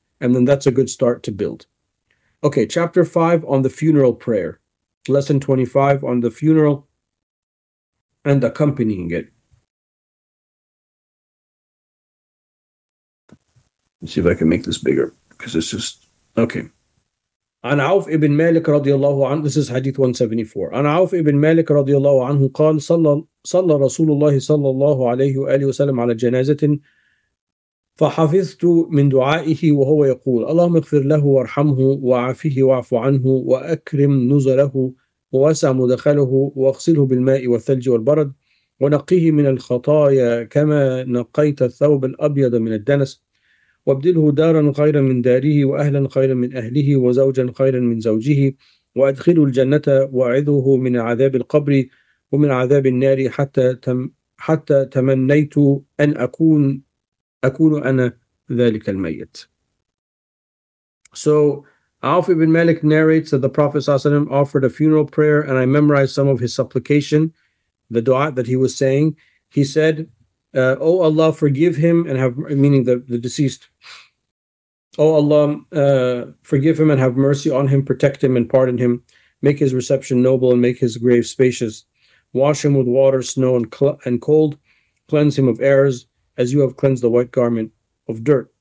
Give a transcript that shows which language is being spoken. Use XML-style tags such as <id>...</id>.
<en>And then that's a good start to build. Okay, chapter 5 on the funeral prayer. Lesson 25 on the funeral and accompanying it. Let's see if I can make this bigger, because it's just... Okay.</en> <ar>عن عوف ابن مالك رضي الله عنه.</ar> <en>This is hadith 174.</en> <ar>عن عوف ابن مالك رضي الله عنه قال صلى رسول الله صلى الله عليه وآله وسلم على جنازة فحفظت من دعائه وهو يقول اللهم اغفر له وارحمه وعافه واعف عنه وأكرم نزله ووسع مدخله واغسله بالماء والثلج والبرد ونقيه من الخطايا كما نقيت الثوب الأبيض من الدنس وابدله دارا خيرا من داره وأهلا خيرا من أهله وزوجا خيرا من زوجه وأدخله الجنة وأعذه من عذاب القبر ومن عذاب النار حتى تمنيت أن أكون أنا ذلك الميت.</ar> <en>So Auf ibn Malik narrates that the Prophet ﷺ offered a funeral prayer, and I memorized some of his supplication, the dua that he was saying. He said, O Allah, forgive him and have, meaning the deceased, O Allah, forgive him and have mercy on him, protect him and pardon him, make his reception noble and make his grave spacious, wash him with water, snow, and cold, cleanse him of errors as you have cleansed the white garment of dirt.</en>